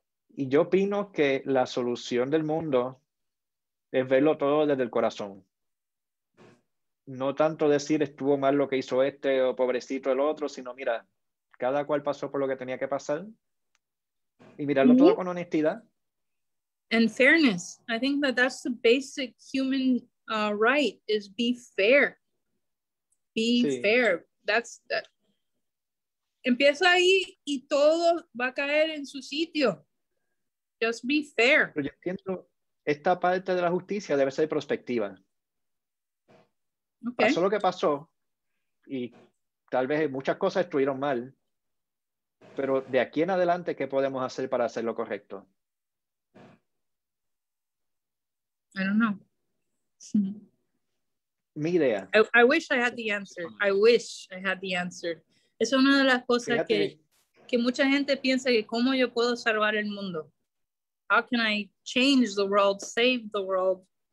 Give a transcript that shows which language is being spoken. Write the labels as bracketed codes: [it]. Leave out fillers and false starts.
[es] yo opino que la solución del mundo es verlo todo desde el corazón. No tanto decir estuvo mal lo que hizo este o pobrecito el otro, sino mira, cada cual pasó por lo que tenía que pasar y mirarlo todo con honestidad. [en] And fairness. I think that that's the basic human right is be fair. Be [es] Sí. [en] fair. That's that. [es] Empieza ahí y todo va a caer en su sitio. [en] Just be fair. [es] Pero yo entiendo, esta parte de la justicia debe ser prospectiva. Pasó lo Okay. que pasó y tal vez muchas cosas estuvieron mal, pero de aquí en adelante, ¿qué podemos hacer para hacer lo correcto? [en] I don't know. [es] Mi idea. [en] I wish I had the answer. I wish I had the answer. [es] Es una de las cosas Fíjate, que mucha gente piensa que cómo yo puedo salvar el mundo. [en] How can I change the world, save the world?